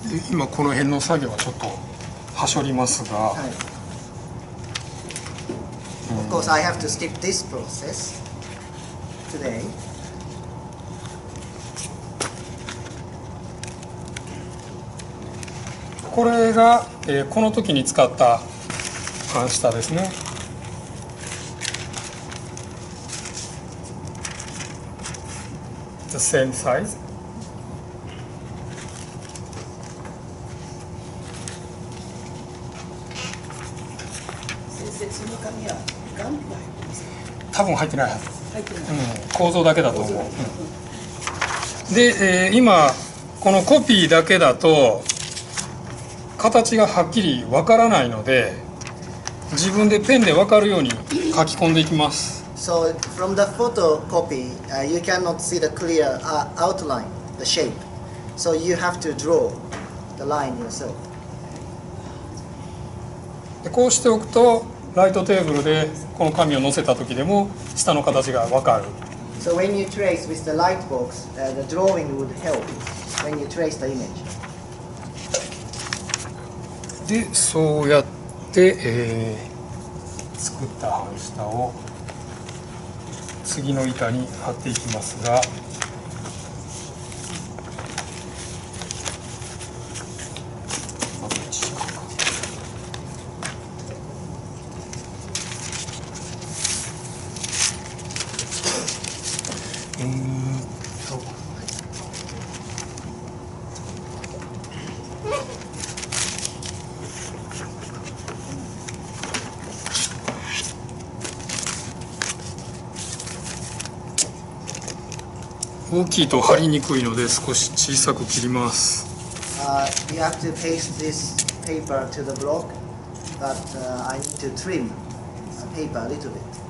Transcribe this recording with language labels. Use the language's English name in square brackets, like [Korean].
[Japanese] 今この辺の作業はちょっと端折りますが、 [English] はい、Of course, I have to skip this process today. [Japanese] これが、この時に使った半下ですね。 [English] The same size. [Japanese] 多分入ってないはず、うん、構造だけだと思う、うん、で、今このコピーだけだと形がはっきりわからないので自分でペンでわかるように書き込んでいきます。 [English] So from the photocopy, you cannot see the clear outline, the shape. So you have to draw the line yourself. [Japanese] でこうしておくとライトテーブルでこの紙を乗せた時でも下の形が分かる。 [English] So when you trace with the light box, the drawing would help when you trace the image. [Japanese] で、そうやって、作った半下を次の板に貼っていきますが、大きいと貼りにくいので少し小さく切ります。 [English] You have to paste this paper to the block, but I need to trim the paper a little bit.